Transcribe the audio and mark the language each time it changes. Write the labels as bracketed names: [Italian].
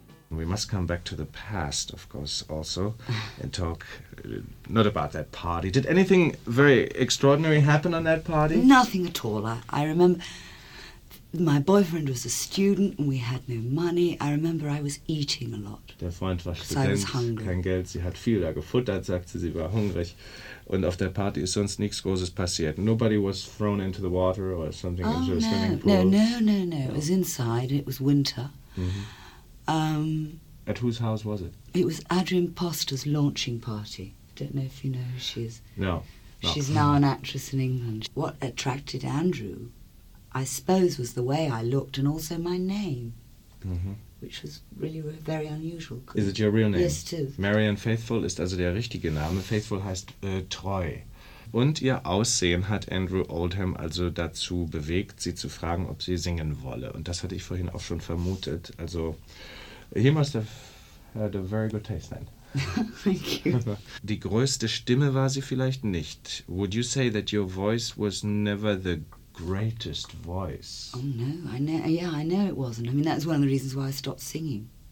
[English] We must come back to the past, of course, also, and talk not about that party. Did anything very extraordinary happen on that party? Nothing at all. I remember My boyfriend was a student and we had no money. I remember I was eating a lot. [German] Der Freund war Student, kein Geld. Sie hat viel da gefuttert, sagte sie, sie war hungrig. Und auf der Party ist sonst nichts Großes passiert. [English] Nobody was thrown into the water or something. Oh, no. No. It was inside. It was winter. Mm-hmm. At whose house was it? It was Adrienne Poster's launching party. I don't know if you know who she is. No. She's now an actress in England. What attracted Andrew, I suppose, was the way I looked and also my name, mm-hmm. which was really very unusual. Is it your real name? Yes, it is. [German] Marianne Faithfull ist also der richtige Name. Faithfull heißt treu. Und ihr Aussehen hat Andrew Oldham also dazu bewegt, sie zu fragen, ob sie singen wolle. Und das hatte ich vorhin auch schon vermutet. [English] Also, he must have had a very good taste then. Thank you. [German] Die größte Stimme war sie vielleicht nicht. [English] Would you say that your voice was never the greatest voice? Oh no, I know it wasn't. I mean, that's one of the reasons why I stopped singing.